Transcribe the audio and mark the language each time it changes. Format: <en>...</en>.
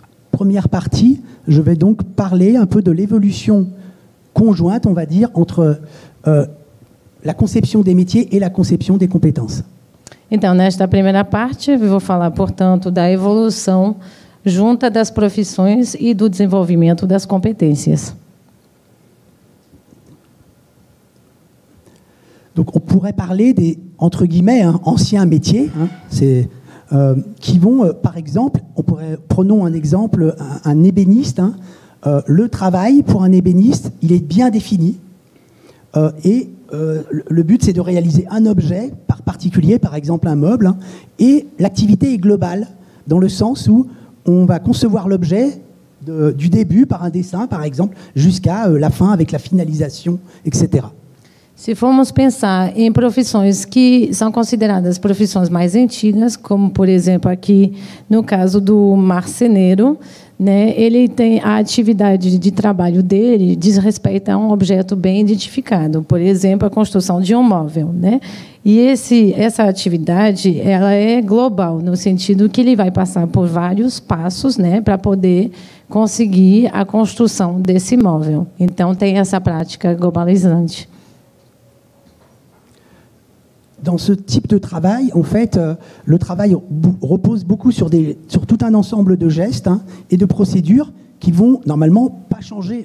<fr>Première partie, je vais donc parler un peu de l'évolution conjointe, on va dire, entre la conception des métiers et la conception des compétences.</fr> <pt>Então, nesta primeira parte, eu vou falar, portanto, da evolução junta das profissões e do desenvolvimento das competências.</pt> <fr>Donc, on pourrait parler des, entre guillemets, hein, anciens métiers, hein, c'est... qui vont, par exemple, on pourrait, prenons un exemple, un ébéniste. Hein, le travail pour un ébéniste, il est bien défini. Le but, c'est de réaliser un objet par particulier, par exemple un meuble. Hein, et l'activité est globale, dans le sens où on va concevoir l'objet du début par un dessin, par exemple, jusqu'à la fin avec la finalisation, etc.</fr> <pt>Se formos pensar em profissões que são consideradas profissões mais antigas, como, por exemplo, aqui no caso do marceneiro, né, ele tem a atividade de trabalho dele diz respeito a um objeto bem identificado, por exemplo, a construção de um móvel. Né? E essa atividade ela é global, no sentido que ele vai passar por vários passos, né, para poder conseguir a construção desse móvel. Então, tem essa prática globalizante.</pt> <fr>Dans ce type de travail, en fait, le travail repose beaucoup sur tout un ensemble de gestes, hein, et de procédures qui vont normalement pas changer.</fr>